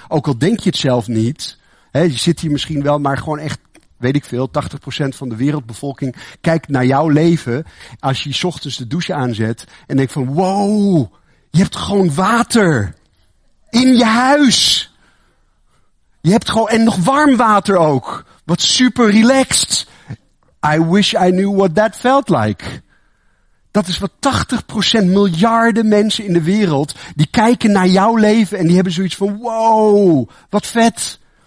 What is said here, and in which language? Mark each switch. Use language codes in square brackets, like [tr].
[nl] Ook al denk je het zelf niet. He, je zit hier misschien wel, maar gewoon echt, weet ik veel, 80% van de wereldbevolking kijkt naar jouw leven. Als je 's ochtends de douche aanzet en denkt van, wow, je hebt gewoon water in je huis. Je hebt gewoon, en nog warm water ook. Wat super relaxed. [en] I wish I knew what that felt like. [nl] Dat is wat 80% miljarden mensen in de wereld, die kijken naar jouw leven en die hebben zoiets van, wow, wat vet.